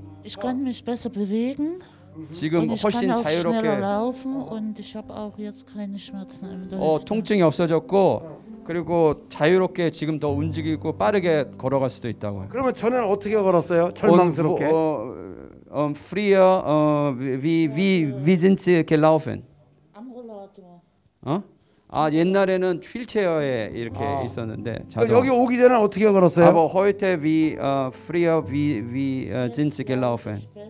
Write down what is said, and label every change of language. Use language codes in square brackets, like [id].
[de] Ich kann mich besser bewegen. Mm-hmm. Und ich kann auch schneller laufen und ich habe auch jetzt keine Schmerzen im Rücken. [ko] 통증이 없어졌고 그리고 자유롭게 지금 더 움직이고 빠르게 걸어갈 수도 있다고. 그러면 전에는 어떻게 걸었어요? 절망스럽게. [de] Freer, wie sind Sie gelaufen? Am Rollator. [ko] 아 옛날에는 휠체어에 이렇게 있었는데 자동. 여기 오기 전에 어떻게 걸었어요? [de] 아뭐 heute wie früher wie sind Sie gelaufen?